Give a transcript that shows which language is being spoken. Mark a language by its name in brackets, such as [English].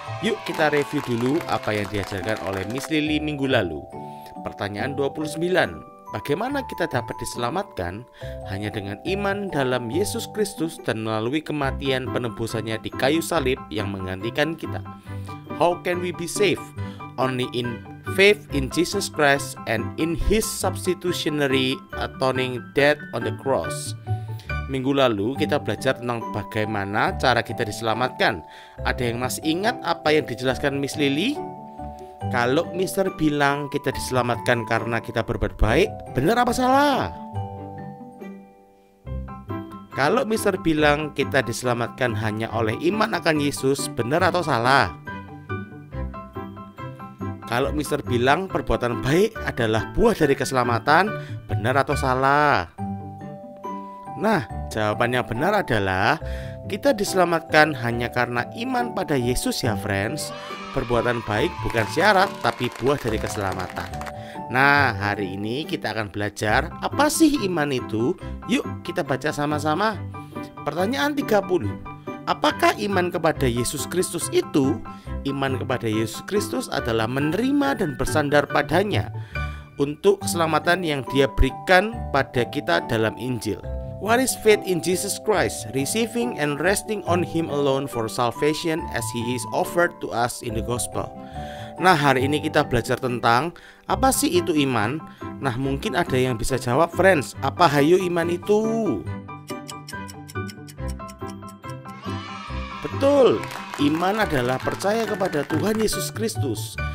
[Indonesian] Yuk kita review dulu apa yang diajarkan oleh Miss Lily minggu lalu. Pertanyaan 29. Bagaimana kita dapat diselamatkan? Hanya dengan iman dalam Yesus Kristus dan melalui kematian penebusannya di kayu salib yang menggantikan kita. [English] How can we be saved? Only in faith in Jesus Christ and in His substitutionary atoning death on the cross. [Indonesian] Minggu lalu kita belajar tentang bagaimana cara kita diselamatkan. Ada yang masih ingat apa yang dijelaskan Miss Lily? Kalau Mister bilang kita diselamatkan karena kita berbuat baik, benar apa salah? Kalau Mister bilang kita diselamatkan hanya oleh iman akan Yesus, benar atau salah? Kalau Mister bilang perbuatan baik adalah buah dari keselamatan, benar atau salah? Nah, jawaban yang benar adalah kita diselamatkan hanya karena iman pada Yesus ya friends. Perbuatan baik bukan syarat, tapi buah dari keselamatan. Nah, hari ini kita akan belajar apa sih iman itu? Yuk, kita baca sama-sama. Pertanyaan 30. Apakah iman kepada Yesus Kristus itu? Iman kepada Yesus Kristus adalah menerima dan bersandar padanya untuk keselamatan yang Dia berikan pada kita dalam Injil. [English] What is faith in Jesus Christ? Receiving and resting on Him alone for salvation as He is offered to us in the gospel. [Indonesian] Nah, hari ini kita belajar tentang apa sih itu iman? Nah, mungkin ada yang bisa jawab, friends. Apa hayo iman itu? Betul, iman adalah percaya kepada Tuhan Yesus Kristus.